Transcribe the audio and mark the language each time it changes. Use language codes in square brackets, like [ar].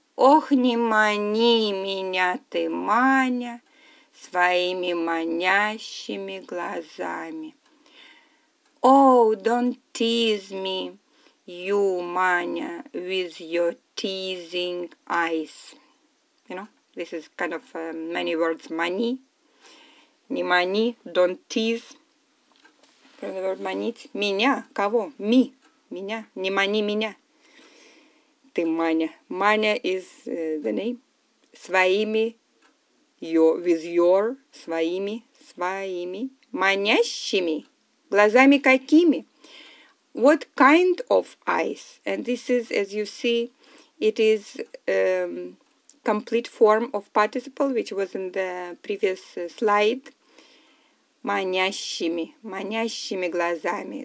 [ru] Ох, не мани меня ты, Маня, своими манящими глазами. [en] Oh, don't tease me, you, Маня, with your teasing eyes. You know, this is kind of many words, мани. [ru] Не мани, [en] don't tease. From the word манить. [ru] Меня, кого? Me, меня. Не мани меня. Ты, Маня. [en] Маня is the name. [ru] Своими, [en] with your, [ru] своими, своими. Манящими. Глазами какими? [en] What kind of eyes? And this is, as you see, it is complete form of participle, which was in the previous slide. [ru] Манящими, манящими глазами.